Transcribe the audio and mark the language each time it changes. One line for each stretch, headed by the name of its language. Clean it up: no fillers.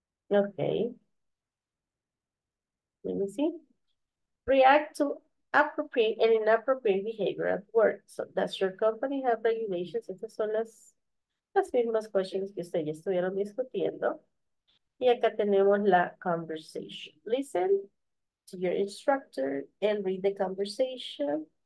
English: Okay. Let me see. React to appropriate and inappropriate behavior at work. So does your company have regulations?
Spanish: Estas son las mismas questions que ustedes ya estuvieron discutiendo. Y acá tenemos la conversation.
English: Listen to your instructor and read the conversation.